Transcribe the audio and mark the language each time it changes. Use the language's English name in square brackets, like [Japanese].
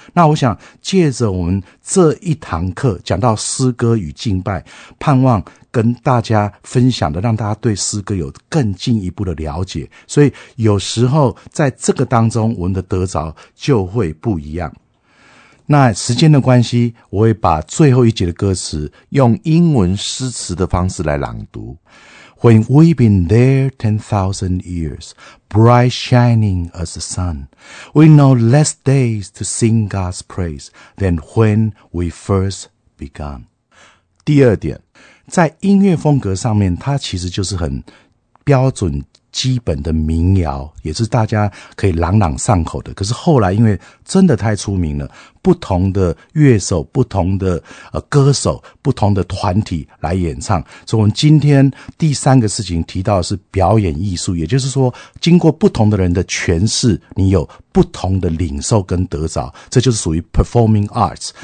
[Chinese] 那我想借着我们这一堂课讲到诗歌与敬拜，盼望跟大家分享的让大家对诗歌有更进一步的了解，所以有时候在这个当中我们的得着就会不一样。那时间的关系，我会把最后一节的歌词用英文诗词的方式来朗读。 [English] When we've been there 10,000 years bright shining as the sun, we know less days to sing God's praise than when we first began. [Chinese] 第二点，在音乐风格上面，它其实就是很标准基本的民谣，也是大家可以朗朗上口的。可是后来因为真的太出名了，不同的乐手、不同的歌手、不同的团体来演唱，所以我们今天第三个事情提到的是表演艺术，也就是说经过不同的人的诠释，你有不同的领受跟得着，这就是属于 performing arts。